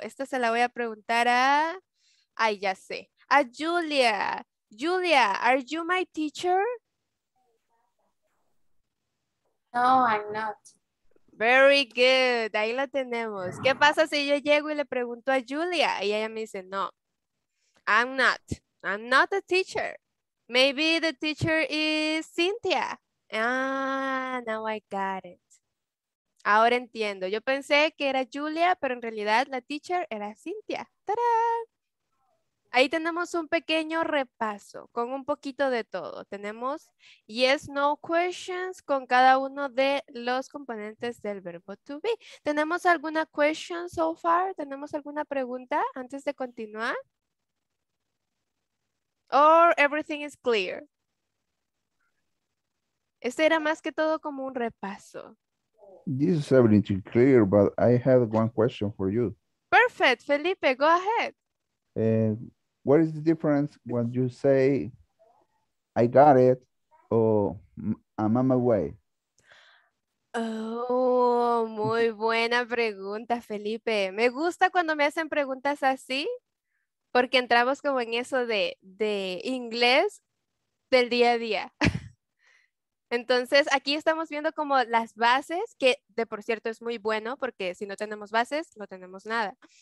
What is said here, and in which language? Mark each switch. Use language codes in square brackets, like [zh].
[es] Esta se la voy a preguntar a... Ay, ya sé. A Julia. [en] Julia, are you my teacher? No, I'm not. Very good, [es] ahí la tenemos. ¿Qué pasa si yo llego y le pregunto a Julia? Y ella me dice, [en] no, I'm not a teacher. Maybe the teacher is Cynthia. Ah, now I got it. [es] Ahora entiendo, yo pensé que era Julia, pero en realidad la teacher era Cynthia. [en] ¡Tara! [es] Ahí tenemos un pequeño repaso con un poquito de todo. Tenemos [en] yes, no questions [es] con cada uno de los componentes del verbo to be. ¿Tenemos alguna [en] question so far? [es] ¿Tenemos alguna pregunta antes de continuar? [en] Or everything is clear. [es] Este era más que todo como un repaso. [en] This is everything clear, but I have one question for you. Perfect, Felipe, go ahead. What is the difference when you say, I got it, or I'm on my way? Oh, [es] muy buena pregunta, Felipe. Me gusta cuando me hacen preguntas así, porque entramos como en eso de inglés del día a día. Entonces, aquí estamos viendo como las bases, que de por cierto es muy bueno, porque si no tenemos bases, no tenemos nada.